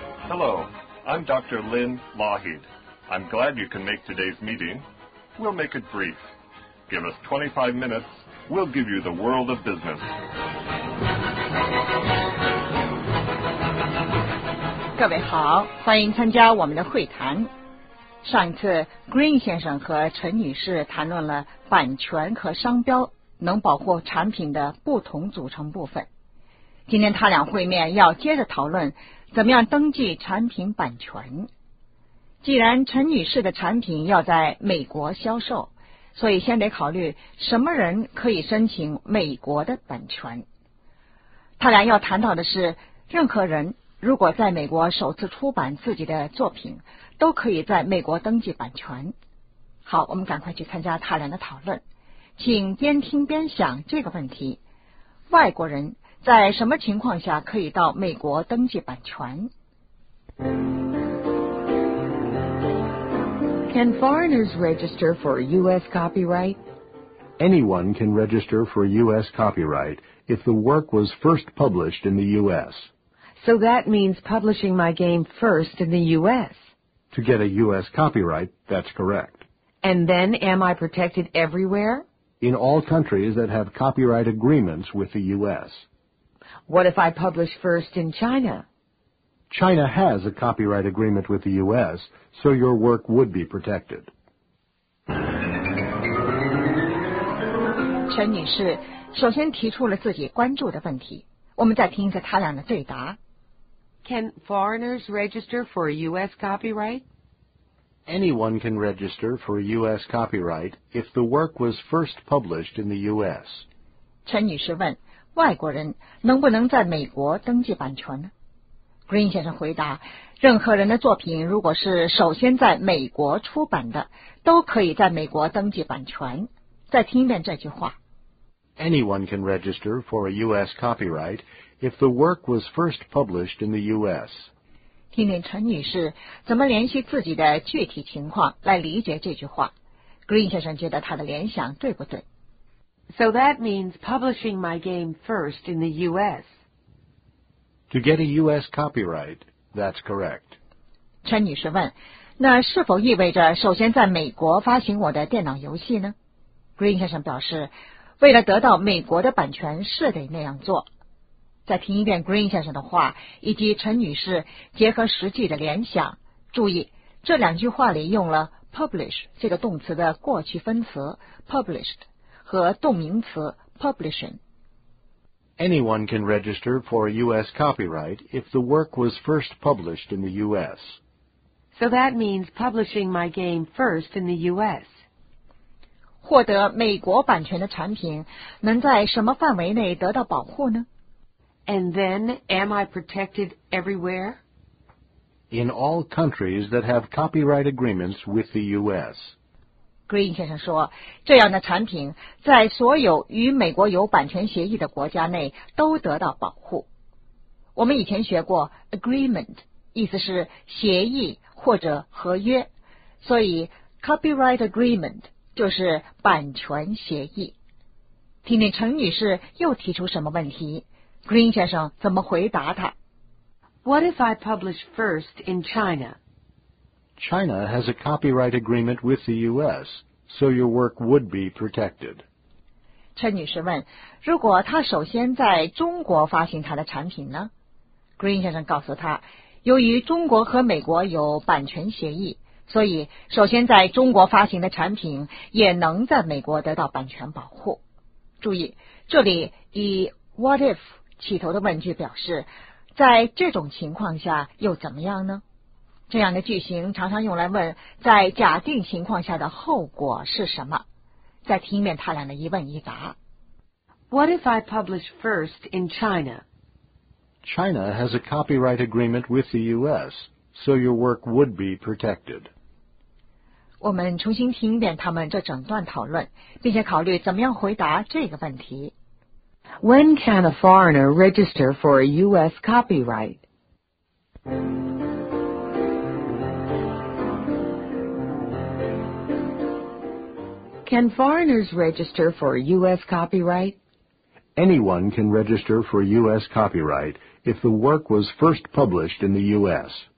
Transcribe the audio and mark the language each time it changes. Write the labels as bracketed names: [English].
[English] Hello, I'm Dr. Lynn Lougheed. I'm glad you can make today's meeting. We'll make it brief. Give us 25 minutes. We'll give you the world of business. [Chinese] 各位好，欢迎参加我们的会谈。上一次 Green 先生和陈女士谈论了版权和商标能保护产品的不同组成部分，今天他俩会面要接着讨论怎么样登记产品版权。既然陈女士的产品要在美国销售，所以先得考虑什么人可以申请美国的版权。他俩要谈到的是，任何人如果在美国首次出版自己的作品，都可以在美国登记版权。好，我们赶快去参加他俩的讨论，请边听边想这个问题：外国人在什么情况下可以到美国登记版权？ [English] Can foreigners register for U.S. copyright? Anyone can register for U.S. copyright if the work was first published in the U.S. So that means publishing my game first in the U.S. To get a U.S. copyright, that's correct. And then am I protected everywhere? In all countries that have copyright agreements with the U.S. What if I publish first in China? China has a copyright agreement with the U.S., so your work would be protected. [Chinese] 陈女士首先提出了自己关注的问题，我们再听一下他俩的对答。 [English] Can foreigners register for U.S. copyright? Anyone can register for U.S. copyright if the work was first published in the U.S. [Chinese] 陈女士问，外国人能不能在美国登记版权呢？ Green 先生回答，任何人的作品如果是首先在美国出版的，都可以在美国登记版权。再听一遍这句话。 [English] Anyone can register for a U.S. copyright if the work was first published in the U.S. [Chinese] 听听陈女士怎么联系自己的具体情况来理解这句话。 Green 先生觉得她的联想对不对？ [English] So that means publishing my game first in the U.S. To get a U.S. copyright, that's correct. [Chinese] 陈女士问，那是否意味着首先在美国发行我的电脑游戏呢？ Green 先生表示，为了得到美国的版权是得那样做。再听一遍 Green 先生的话以及陈女士结合实际的联想，注意这两句话里用了 publish 这个动词的过去分词 published 和动名词 publishing。 [English] Anyone can register for a U.S. copyright if the work was first published in the U.S. So that means publishing my game first in the U.S. [Chinese] 获得美国版权的产品能在什么范围内得到保护呢？ [English] And then, am I protected everywhere? In all countries that have copyright agreements with the U.S. [Chinese] Green 先生说，这样的产品在所有与美国有版权协议的国家内都得到保护。我们以前学过 agreement， 意思是协议或者合约，所以 copyright agreement就是版权协议。听听陈女士又提出什么问题， Green 先生怎么回答她。 [English] What if I publish first in China? China has a copyright agreement with the U.S. so your work would be protected. [Chinese] 陈女士问，如果她首先在中国发行她的产品呢？ Green 先生告诉她，由于中国和美国有版权协议，所以首先在中国发行的产品也能在美国得到版权保护。注意这里以 [English] what if [Chinese] 起头的问句表示在这种情况下又怎么样呢？这样的句型常常用来问在假定情况下的后果是什么。再听一遍他俩的一问一答。 [English] What if I publish first in China? China has a copyright agreement with the U.S. So your work would be protected. [Chinese] 我们重新听一遍他们这整段讨论，并且考虑怎么样回答这个问题。 [English] When can a foreigner register for a U.S. copyright? Can foreigners register for a U.S. copyright? Anyone can register for a U.S. copyright if the work was first published in the U.S.